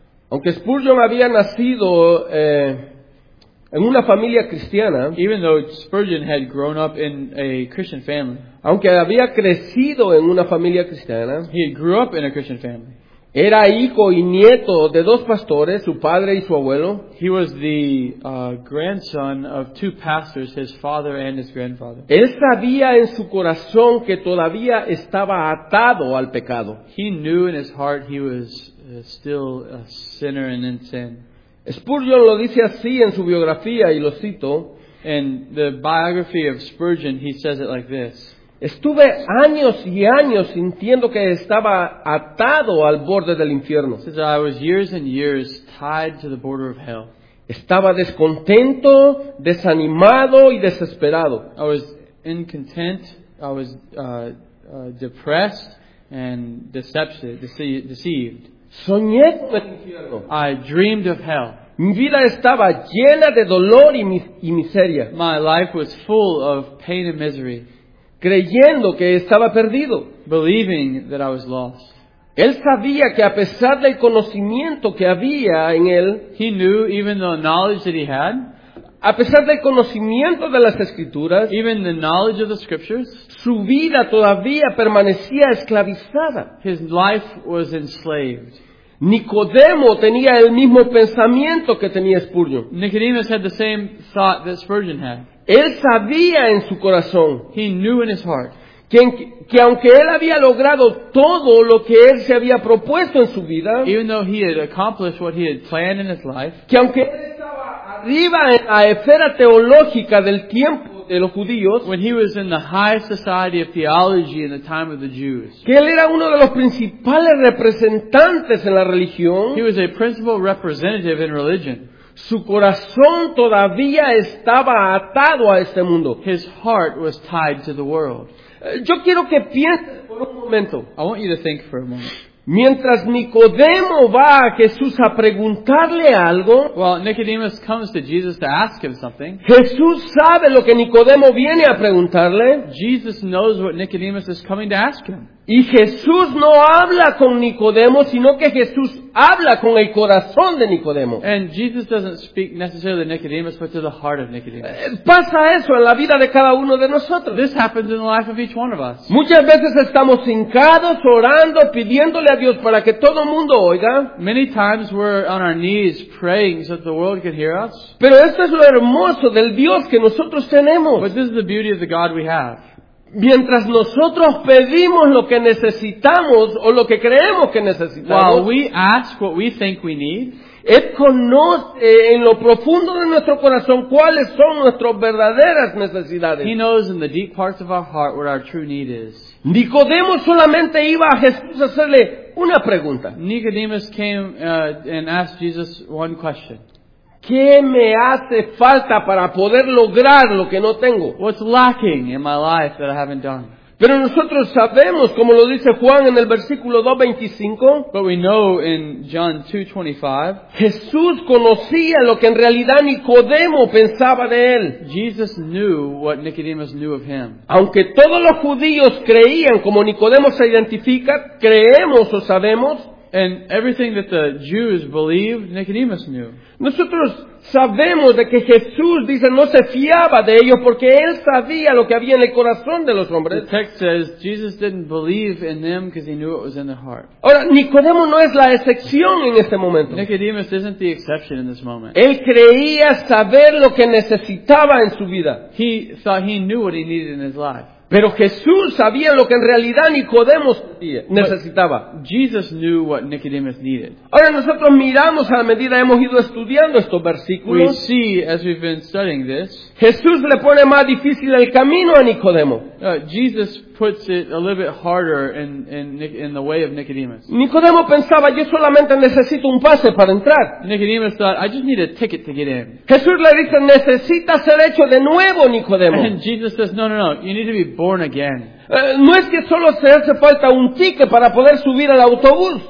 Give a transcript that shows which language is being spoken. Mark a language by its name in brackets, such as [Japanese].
[Spanish] Aunque Spurgeon había nacido en una familia cristiana, [English] even though Spurgeon had grown up in a Christian family, [Spanish] aunque había crecido en una familia cristiana, [English] he grew up in a Christian family. [Spanish] Era hijo y nieto de dos pastores, su padre y su abuelo. [English] He was the grandson of two pastors, his father and his grandfather. [Spanish] Él sabía en su corazón que todavía estaba atado al pecado. [English] He knew in his heart he was still a sinner and in sin. [Spanish] Spurgeon lo dice así en su biografía, y lo cito. [English] In the biography of Spurgeon, he says it like this. [Spanish] Estuve años y años sintiendo que estaba atado al borde del infierno. [English] He says, I was years and years tied to the border of hell. [Spanish] Estaba descontento, desanimado y desesperado. [English] I was incontent, I was depressed and deceived. [Spanish] Soñé con el infierno. [English] I dreamed of hell. [Spanish] Mi vida estaba llena de dolor y miseria. [English] My life was full of pain and misery. [Spanish] Creyendo que estaba perdido. [English] Believing that I was lost. [Spanish] Él sabía que a pesar del conocimiento que había en él, [English] he knew, even the knowledge that he had, [Spanish] a pesar del conocimiento de las Escrituras, [English] even the knowledge of the Scriptures, [Spanish] su vida todavía permanecía esclavizada. [English] His life was enslaved. [Spanish] Nicodemo tenía el mismo pensamiento que tenía Spurgeon. [English] Nicodemus had the same thought that Spurgeon had. [Spanish] Él sabía en su corazón, [English] he knew in his heart, [Spanish] que aunque él había logrado todo lo que él se había propuesto en su vida, [English] even though he had accomplished what he had planned in his life, [Spanish] que aunque arriba en la esfera teológica del tiempo de los judíos, [English] when he was in the high society of theology in the time of the Jews, [Spanish] que él era uno de los principales representantes en la religión, [English] he was a principal representative in religion, [Spanish] su corazón todavía estaba atado a este mundo. [English] His heart was tied to the world. [Spanish] Yo quiero que pienses por un momento. [English] I want you to think for a moment. [Spanish] Mientras Nicodemo va a Jesús a preguntarle algo, [English] well, Nicodemus comes to Jesus to ask him something. [Spanish] Jesús sabe lo que Nicodemo viene a preguntarle. [English] Jesus knows what Nicodemus is coming to ask him. [Spanish] Y Jesús no habla con Nicodemo, sino que Jesús habla con el corazón de Nicodemo. [English] And Jesus doesn't speak necessarily to Nicodemus, but to the heart of Nicodemus. [Spanish] Pasa eso en la vida de cada uno de nosotros. [English] This happens in the life of each one of us. [Spanish] Muchas veces estamos hincados, orando, pidiéndole a Dios para que todo mundo oiga. [English] Many times we're on our knees praying so that the world can hear us. [Spanish] Pero esto es lo hermoso del Dios que nosotros tenemos. [English] But this is the beauty of the God we have. [Spanish] Mientras nosotros pedimos lo que necesitamos o lo que creemos que necesitamos, [English] while we ask what we think we need, [Spanish] Él conoce en lo profundo de nuestro corazón cuáles son nuestras verdaderas necesidades. [English] He knows in the deep parts of our heart what our true need is. [Spanish] Nicodemo solamente iba a Jesús a hacerle una pregunta. [English] Nicodemus came and asked Jesus one question. [Spanish] ¿Qué me hace falta para poder lograr lo que no tengo? [English] What's lacking in my life that I haven't done? [Spanish] Pero nosotros sabemos, como lo dice Juan en el versículo 2:25. [English] But we know in John 2:25. [Spanish] Jesús conocía lo que en realidad Nicodemo pensaba de él. [English] Jesus knew what Nicodemus knew of him. [Spanish] Aunque todos los judíos creían, como Nicodemo se identifica, creemos o sabemos. [English] And everything that the Jews believed, Nicodemus knew. [Spanish] Nosotros sabemos de que Jesús dice no se fiaba de ellos porque él sabía lo que había en el corazón de los hombres. [English] The text says Jesus didn't believe in them because he knew what was in their heart. [Spanish] Ahora, Nicodemo no es la excepción en este momento. [English] Nicodemus isn't the exception in this moment. [Spanish] Él creía saber lo que necesitaba en su vida. [English] He thought he knew what he needed in his life. [Spanish] Pero Jesús sabía lo que en realidad Nicodemo necesitaba. [English] Jesus knew what Nicodemus needed. [Spanish] Ahora nosotros miramos a medida que hemos ido estudiando estos versículos. [English] We see, as we've been studying this, [Spanish] Jesús le pone más difícil el camino a Nicodemo. [English] Jesus puts it a little bit harder in the way of Nicodemus. [Spanish] Nicodemo pensaba, yo solamente necesito un pase para entrar. [English] Nicodemus thought, I just need a ticket to get in. [Spanish] Jesús le dice, necesitas ser hecho de nuevo, Nicodemo. [English] And Jesus says, no, you need to be born again. [Spanish] No es que solo se hace falta un ticket para poder subir al autobús.